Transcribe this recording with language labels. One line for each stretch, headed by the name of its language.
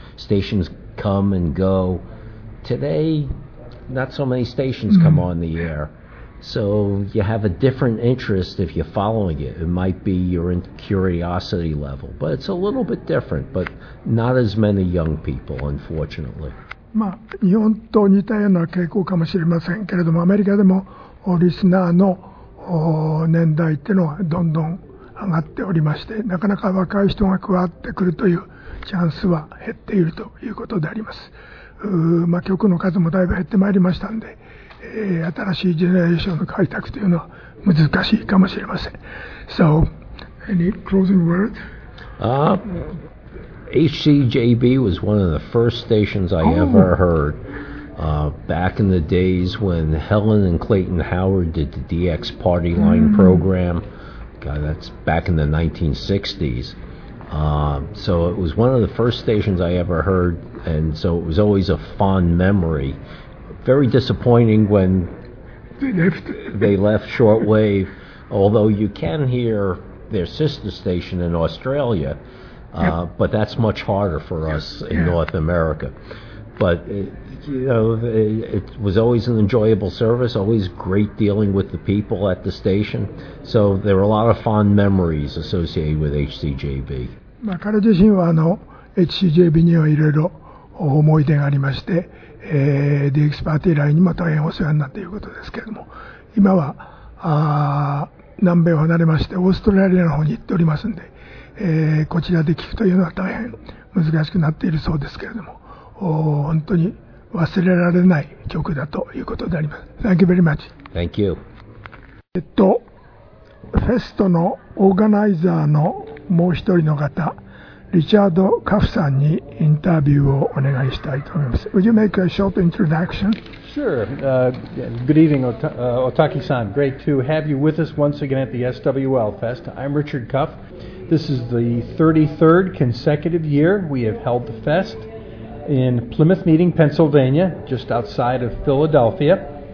English: Stations come and go. Today, not so many stations come on the air. So you have a different interest if you're following it. It might be your curiosity level, but it's a little bit different, but not as many young people, unfortunately.
Japanese: まあ、日本と似たような傾向かもしれませんけれども、アメリカでもリスナーの年代っていうのはどんどん上がっておりまして、なかなか若い人が加わってくるというチャンスは減っているということであります。まあ、曲の数もだいぶ減ってまいりましたんで、新しいジェネレーションの開拓というのは難しいかもしれません。
English: So, any closing words? HCJB was one of the first stations I ever heard. Back in the days when Helen and Clayton Howard did the DX Party Line program. God, that's back in the 1960s. So it was one of the first stations I ever heard, and so it was always a fond memory. Very disappointing when they left shortwave, although you can hear their sister station in Australia, but that's much harder for us in North America. But, you know, it was always an enjoyable service, always great dealing with the people at the station. So there were a lot of fond memories associated with HCJB.
Japanese: まあ、彼自身はHCJB にはいろいろ思い出がありまして、DX パーティーラインにも大変お世話になっていることですけれども、今は南米を離れましてオーストラリアの方に行っておりますので、こちらで聞くというのは大変難しくなっているそうですけれども、本当に忘れられない曲だということであります。
English: Thank you very much. Thank you.
Japanese: フェストのオーガナイザーのもう一人の方、リチャード・カフさんにインタビューをお願いしたいと思います。
English: Would you make a short introduction? Sure. Good evening, Otaki-san. Great to have you with us once again at the SWL Fest. I'm Richard Cuff. This is the 33rd consecutive year we have held the fest in Plymouth Meeting, Pennsylvania, just outside of Philadelphia.